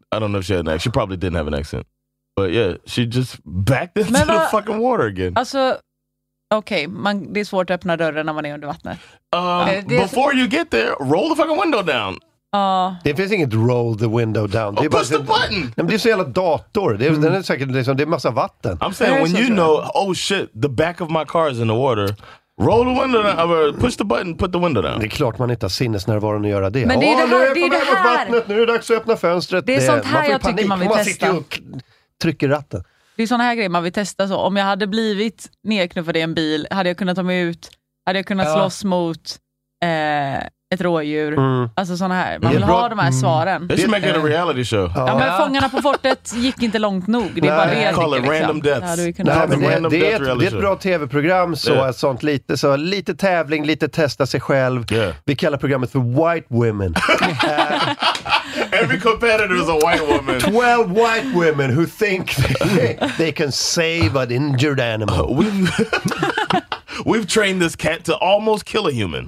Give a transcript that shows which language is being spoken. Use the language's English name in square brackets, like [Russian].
[English] I don't know if she had an accent. She probably didn't have an accent. But yeah, she just backed into the fucking water again. [Swedish] Alltså, okay, det är svårt att öppna dörren när man är under vattnet. [English] Before you get there, roll the fucking window down. [Swedish] Det finns inget [English] roll the window down. Oh, push the button! [Swedish] Men det är så jävla dator. Den är säkert, det är en massa vatten. [English] I'm saying, when you know, oh shit, the back of my car is in the water, roll the window down, or push the button, put the window down. [Swedish] Det är klart man inte har sinnesnärvaron att göra det. Men det är det här, nu är jag på väg mot vattnet, nu är det dags att öppna fönstret. Det är sånt här jag tycker man vill testa. Man sitter och trycker ratten. Det är sådana här grejer man vill testa. Så om jag hade blivit nedknuffad i en bil, hade jag kunnat ta mig ut? Hade jag kunnat slåss mot ett rådjur? Mm. Alltså sådana här. Man vill ha de här svaren. [English] This should make it a reality show. [Swedish] Ja, men Fångarna på fortet gick inte långt nog. Det är bara det. [English] Call it random deaths. [Swedish] Ja, det är ett bra tv-program. Så yeah. Sånt lite, så lite tävling, lite testa sig själv. [English] Yeah. [Swedish] Vi kallar programmet för White Women. [English] Every competitor is a white woman. 12 white women who think they can save an injured animal. We've trained this cat to almost kill a human.